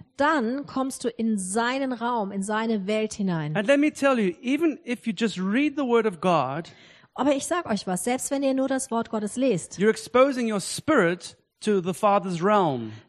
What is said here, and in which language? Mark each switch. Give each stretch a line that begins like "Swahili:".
German: Dann kommst du in seinen Raum, in seine Welt hinein.
English: And let me tell you, even if you just read the word of God,
German: aber ich sag euch was, selbst wenn ihr nur das Wort Gottes lest,
English: you're exposing your spirit to the Father's realm.